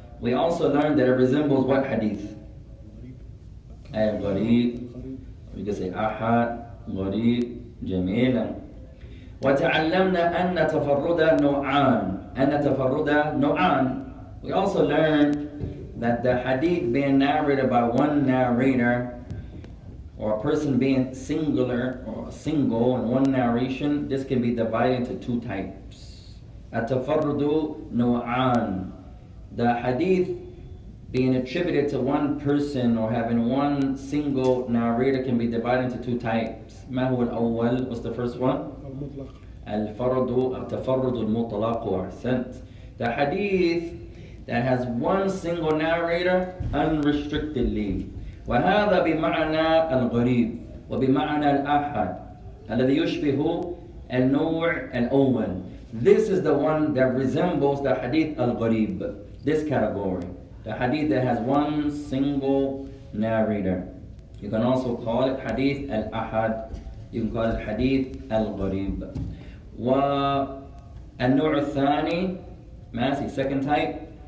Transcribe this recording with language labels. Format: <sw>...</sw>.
<en>We also learned that it resembles what hadith.</en> <ar>غريب.</ar> <en>We can say</en> <ar>أحد غريب جميلا. وتعلمنا أن تفرد نوعان. أن تفرد نوعان.</ar> <en>We also learned that the hadith being narrated by one narrator, or a person being singular or single in one narration, this can be divided into two types.</en> <ar>At-tafarrudu nu'an.</ar> <en>The hadith being attributed to one person or having one single narrator can be divided into two types.</en> <ar>ما هو الأول?</ar> <en>What's the first one?</en> <ar>المطلق. الفرد التفرد المطلق أحسنت.</ar> <en>The hadith that has one single narrator unrestrictedly.</en> <ar>وهذا بمعنى الغريب وبمعنى الأحد الذي يشبه النوع الأول.</ar> <en>This is the one that resembles the hadith al-ghareeb, this category. The hadith that has one single narrator. You can also call it hadith al-ahad. You can call it hadith al-ghareeb.</en> <ar>والنوع الثاني,</ar> <en>Massey, second type?</en>